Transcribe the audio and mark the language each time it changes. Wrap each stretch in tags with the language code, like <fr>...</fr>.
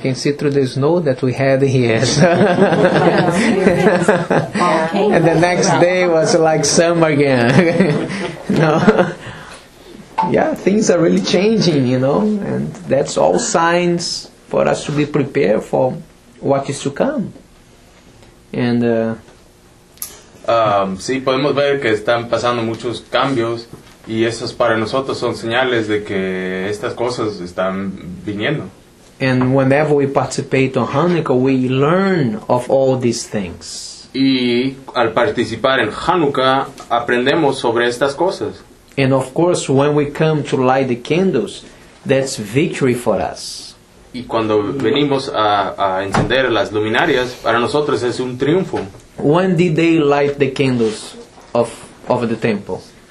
<en>can see through the snow that we had here. And the next day was like summer again. No. Yeah, things are really changing, you know, and that's all signs for us to be prepared for what is to come. And</en> <es>sí, podemos ver que están pasando muchos cambios y esos para nosotros son señales de que estas cosas están viniendo.</es> <en>And whenever we participate on Hanukkah, we learn of all these things.</en> <es>Y al participar en Hanukkah, aprendemos sobre estas cosas.</es> <en>And of course, when we come to light the candles, that's victory for us.</en> <es>Y cuando venimos a encender las luminarias, para nosotros es un triunfo.</es> <en>When did they light the candles of the temple?</en>